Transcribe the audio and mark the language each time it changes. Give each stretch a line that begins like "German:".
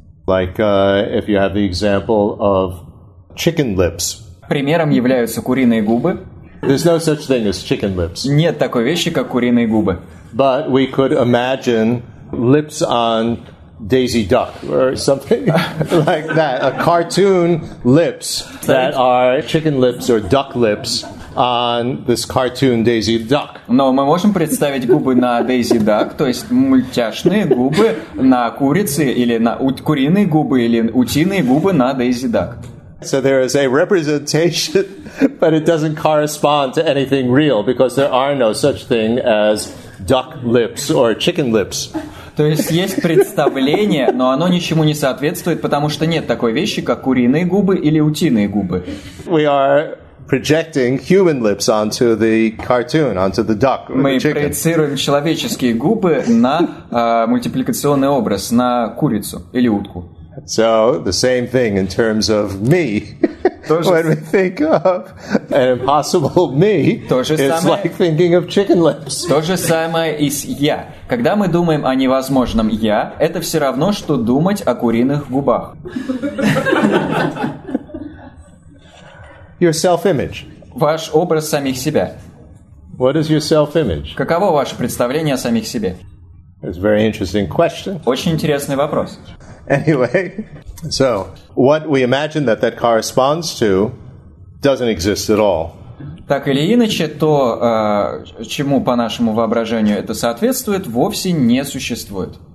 English: Like if you have the example of chicken lips.
Russian: Примером являются куриные губы.
English: There's no such thing as chicken lips.
Russian: Нет такой вещи, как куриные губы.
English: But we could imagine lips on Daisy Duck or something like that. A cartoon lips that are chicken lips or duck lips on this cartoon Daisy Duck.
Russian: Но мы можем представить губы на Daisy Duck, то есть мультяшные губы на курице или на куриные губы или утиные губы на Daisy Duck.
English: So there is a representation, but it doesn't correspond to anything real because there are no such thing as duck lips or chicken lips.
Russian: То есть есть представление, но оно ничему не соответствует, потому что нет такой вещи, как куриные губы или утиные губы.
English: We are projecting human lips onto the cartoon, onto the duck or
Russian: Мы проецируем человеческие губы на мультипликационный образ, на курицу или утку.
English: So the same thing in terms of me. When we think of an impossible me, it's like thinking of chicken lips.
Russian: То же самое и с я. Когда мы думаем о невозможном я, это все равно, что думать о куриных губах.
English: Your self-image.
Russian: Ваш образ самих себя.
English: What is your self-image?
Russian: Каково ваше представление о самих себе?
English: It's a very interesting question.
Russian: Очень интересный вопрос.
English: Anyway, so what we imagine that corresponds to doesn't exist at all.
Russian: Так или иначе, то, чему по нашему воображению это соответствует, вовсе не существует.